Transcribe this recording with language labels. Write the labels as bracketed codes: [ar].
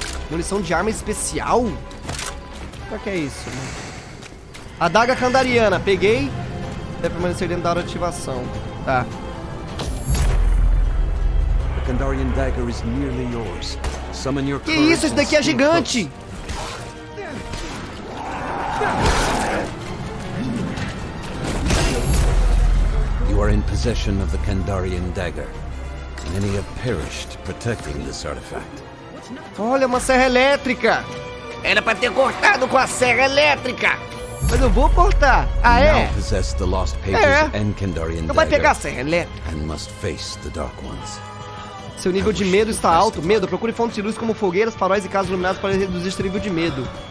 [pt] Munição de arma especial? O que é isso, mano? Adaga Kandariana, peguei. Deve permanecer dentro da hora de ativação. Tá. [en] The Kandarian Dagger is nearly yours. [pt] Que isso? Isso daqui é gigante! [en] You are in possession of the Kandarian dagger. Many have perished protecting this artifact. [pt] Olha, uma serra elétrica! Era pra ter cortado com a serra elétrica! Mas eu vou cortar! Ah, é? [en] Now possess the lost papers and Kandarian dagger. [pt] Não vai pegar a serra elétrica! [en] And must face the dark ones. [pt] Seu nível de medo está alto. Medo, procure fontes de luz como fogueiras, faróis e casas iluminadas para reduzir seu nível de medo.